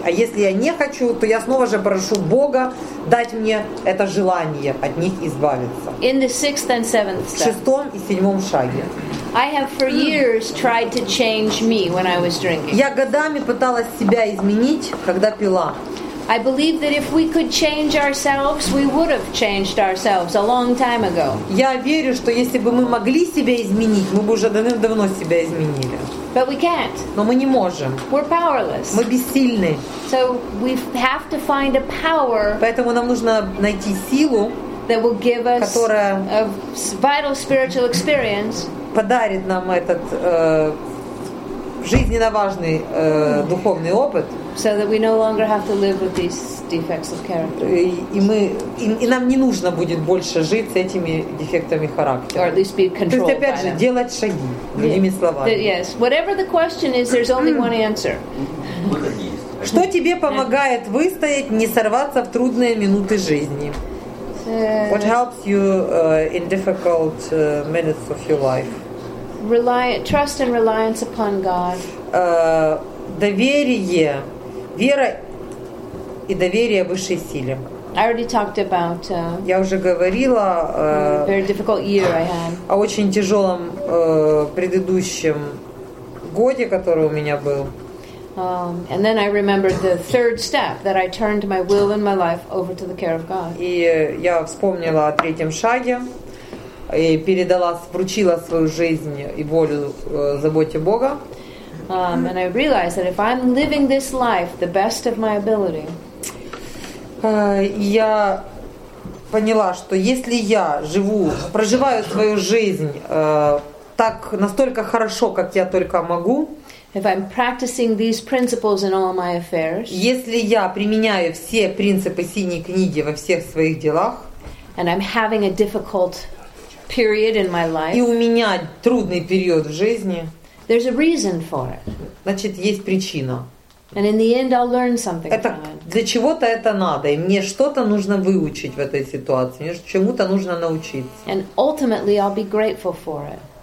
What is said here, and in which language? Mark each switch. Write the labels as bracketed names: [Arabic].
[Russian] А если я не хочу, то я снова же прошу Бога дать мне это желание от них избавиться. [English] In the sixth and seventh step. [Russian] В шестом и седьмом шаге. [English] I have for years tried to change me when I was drinking. [Russian] Я годами пыталась себя изменить, когда пила. [English] I believe that if we could change ourselves, we would have changed ourselves a long time ago. [Russian] Я верю, что если бы мы могли себя изменить, мы бы уже давным-давно себя изменили. [English] But we can't. [Russian] Но мы не можем. [English] We're powerless. [Russian] Мы бессильны. [English] So we have to find a power. [Russian] Поэтому нам нужно найти силу, [English] that will give us a vital spiritual experience. [Russian] Подарит нам этот жизненно важный духовный опыт. [English] So that we no longer have to live with these defects of character. [Russian] И нам не нужно будет больше жить с этими дефектами характера. [English] Or at least be controlled. [Russian] То есть опять же делать шаги. Другими словами. [English] Yes. Whatever the question is, there's only one answer. [Russian] Что тебе помогает выстоять, не сорваться в трудные минуты жизни? [English] What helps you in difficult minutes of your life? Trust and reliance upon God. [Russian] Доверие, вера и доверие высшей силе. [English] I already talked about. [Russian] Я уже говорила. [English] Very difficult year I had. [Russian] О очень тяжелом предыдущем годе, который у меня был. [English] And then I remembered the third step, that I turned my will and my life over to the care of God. [Russian] И я вспомнила о третьем шаге и передала, вручила свою жизнь и волю заботе Бога. [English] And I realized that if I'm living this life the best of my ability. [Russian] Я поняла, что если я живу, проживаю свою жизнь так настолько хорошо, как я только могу. [English] If I'm practicing these principles in all my affairs. [Russian] Если я применяю все принципы синей книги во всех своих делах. [English] And I'm having a difficult period in my life. [Russian] И у меня трудный период в жизни. [English] There's a reason for it. [Russian] Значит, есть причина. [English] And in the end I'll learn something from it. [Russian] Для чего-то это надо, и мне что-то нужно выучить в этой ситуации, мне чему-то нужно научиться. [English] And ultimately I'll be grateful for it.